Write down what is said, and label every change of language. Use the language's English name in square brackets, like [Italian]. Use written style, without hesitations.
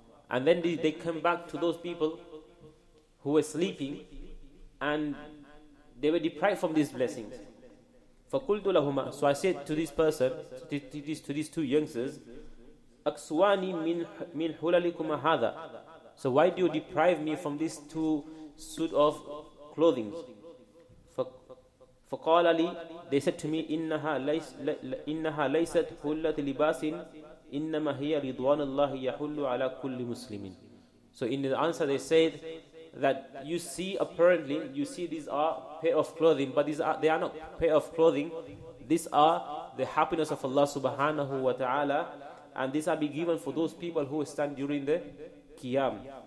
[English] And then they came back to those people who were sleeping and they were deprived from these blessings. [Arabic] فَقُلْتُ لَهُمَا. [English] So I said to this person, to these two youngsters, [Arabic] أَكْسُوَانِي مِنْ حُلَلِكُمَ هَذَا. [English] So why do you deprive me from these two suit of clothing? [Arabic] فَقَالَ لِي. [English] They said to me, [Arabic] إِنَّهَا لَيْسَتْ حُلَّةِ لِبَاسٍ إِنَّمَا هِيَ رِضْوَانُ اللَّهِ يَحُلُّ عَلَىٰ كُلِّ مُسْلِمٍ. [English] So in the answer they said that you see these are pair of clothing, but they are not pair of clothing. These are the happiness of Allah subhanahu wa ta'ala, and these are be given for those people who stand during the qiyam.